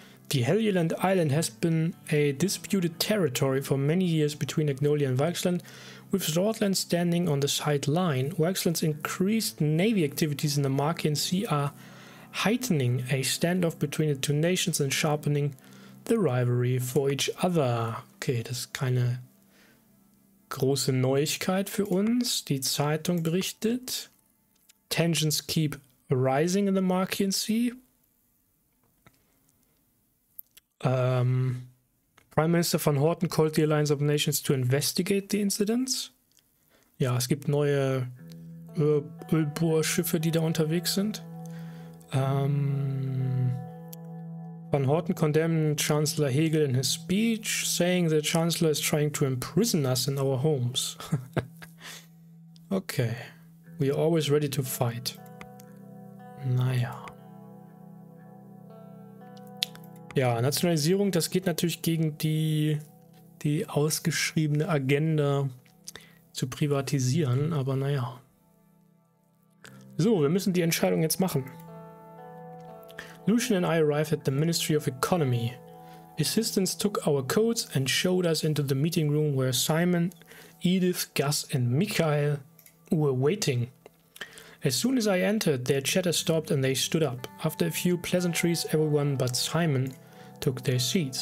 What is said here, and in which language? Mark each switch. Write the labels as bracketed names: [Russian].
[English] The Helgeland Island has been a disputed territory for many years between Agnolia and Falkland, with Sordland standing on the sideline. Falkland's increased navy activities in the Markian Sea are heightening a standoff between the two nations and sharpening the rivalry for each other. [German] Okay, das ist keine große Neuigkeit für uns. Die Zeitung berichtet. [English] Tensions keep rising in the Markian Sea. Prime Minister von Horten called the Alliance of Nations to investigate the incidents. [German] Ja, es gibt neue Ölbohrschiffe, die da unterwegs sind. [English] Van Horten condemned Chancellor Hegel in his speech, saying the Chancellor is trying to imprison us in our homes. Okay. We are always ready to fight. [German] Naja. Ja, Nationalisierung, das geht natürlich gegen die ausgeschriebene Agenda zu privatisieren, aber naja. So, wir müssen die Entscheidung jetzt machen. [English] Lucian and I arrived at the Ministry of Economy. Assistants took our coats and showed us into the meeting room where Simon, Edith, Gus and Mikhail were waiting. As soon as I entered, their chatter stopped and they stood up. After a few pleasantries, everyone but Simon took their seats.